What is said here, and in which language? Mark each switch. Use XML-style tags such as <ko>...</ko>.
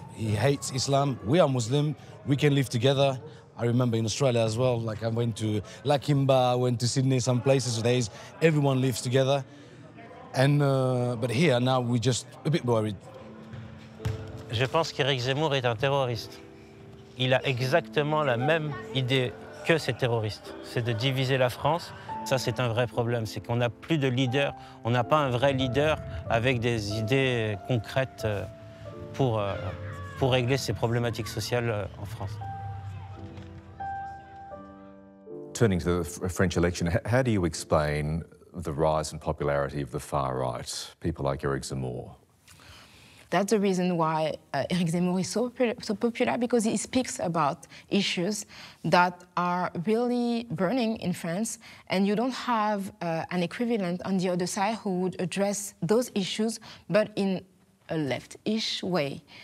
<en>He hates Islam. We are Muslim. We can live together. I remember in Australia as well, like I went to La Kimba, I went to Sydney, some places where everyone lives together. And but here now we're just a bit worried.</en> <fr>Je pense qu'Éric Zemmour est un terroriste. Il a exactement la même idée que ces terroristes, c'est de diviser la France. Ça, c'est un vrai problème, c'est qu'on n'a plus de leader, on n'a pas un vrai leader avec des idées concrètes pour régler ces problématiques sociales en France.</fr> <en>Turning to the French election, how do you explain the rise in popularity of the far right, people like Éric Zemmour? That's the reason why Éric Zemmour is so popular, because he speaks about issues that are really burning in France, and you don't have an equivalent on the other side who would address those issues, but in a left-ish way.</en>